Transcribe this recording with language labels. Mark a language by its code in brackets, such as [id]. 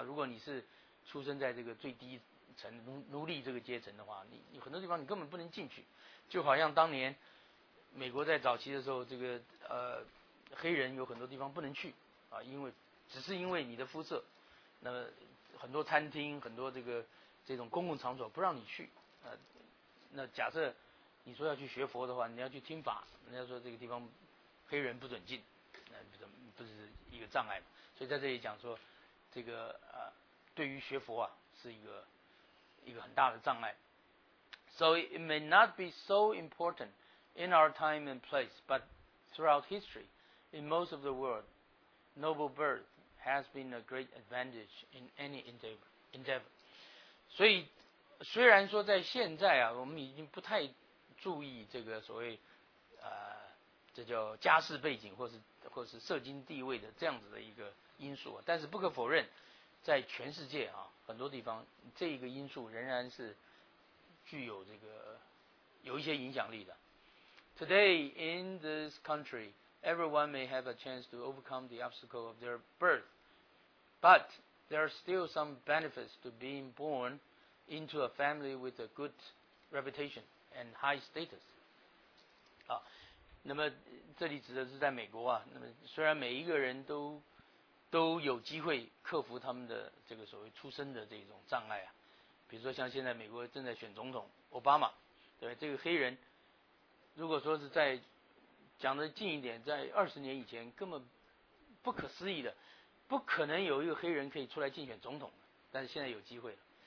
[zh] 如果你是出生在这个最低层奴隶这个阶层的话，你有很多地方你根本不能进去，就好像当年美国在早期的时候，这个黑人有很多地方不能去啊，因为只是因为你的肤色，那么很多餐厅、很多这个这种公共场所不让你去啊。那假设你说要去学佛的话，你要去听法，人家说这个地方黑人不准进，那不是一个障碍嘛？所以在这里讲说，这个对于学佛啊，是一个很大的障碍。 [en] So it may not be so important in our time and place, but throughout history, in most of the world, noble birth has been a great advantage in any endeavor. [zh] 所以虽然说在现在啊，我们已经不太注意这个所谓这叫家世背景或是社经地位的这样子的一个因素、啊、但是不可否认在全世界啊，很多地方这一个因素仍然是具有这个有一些影响力的。 [en] Today in this country, everyone may have a chance to overcome the obstacle of their birth, but there are still some benefits to being born into a family with a good reputation and high status. [zh] 啊，那么这里指的是在美国啊。那么虽然每一个人都有机会克服他们的这个所谓出生的这种障碍啊，比如说像现在美国正在选总统奥巴马，对这个黑人，如果说是在讲的近一点，在20年以前根本不可思议的，不可能有一个黑人可以出来竞选总统，但是现在有机会了。